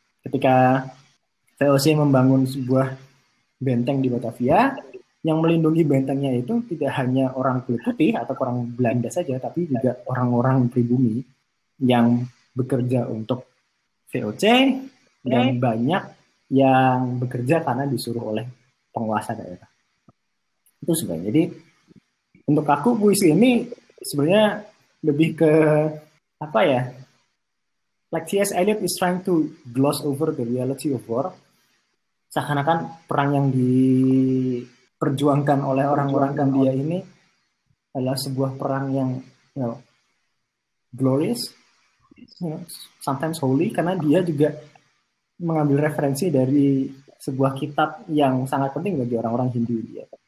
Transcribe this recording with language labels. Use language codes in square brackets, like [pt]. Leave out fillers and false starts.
[id] Ketika VOC membangun sebuah benteng di Batavia, yang melindungi bentengnya itu tidak hanya orang kulit putih atau orang Belanda saja, tapi juga orang-orang pribumi yang bekerja untuk VOC dan banyak yang bekerja karena disuruh oleh penguasa daerah. Itu sebenarnya. Jadi untuk aku puisi ini sebenarnya lebih ke apa ya? [en] Like T.S. Eliot is trying to gloss over the reality of war. [id] Seakan-akan perang yang diperjuangkan oleh orang-orang India ini adalah sebuah perang yang [en] you know, glorious, you know, sometimes holy, [id] karena dia juga mengambil referensi dari sebuah kitab yang sangat penting bagi orang-orang Hindu dia.